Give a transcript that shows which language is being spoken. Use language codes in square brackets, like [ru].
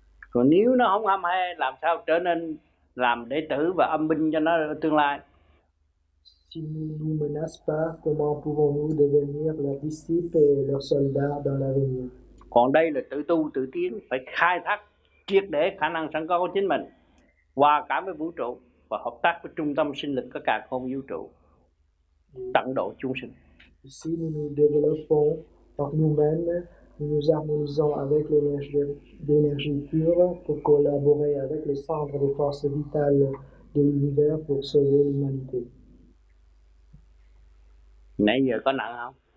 [vi] Còn nếu nó không âm hay, làm sao trở nên làm đệ tử và âm binh cho nó tương lai? [fr] Si nous menace pas, comment pouvons-nous devenir leurs disciples et leurs soldats dans l'avenir? [vi] Còn đây là tự tu tự tiến, phải khai thác triệt để khả năng sẵn có của chính mình, hòa cảm với vũ trụ và hợp tác với trung tâm sinh lực của cả không vũ trụ, tận độ chúng sinh. [fr] Si nous développons par nous-mêmes, nous harmonisons avec l'énergie pure pour collaborer avec les centres de force vitale de l'univers pour sauver l'humanité. [vi] Nãy giờ có nặng không?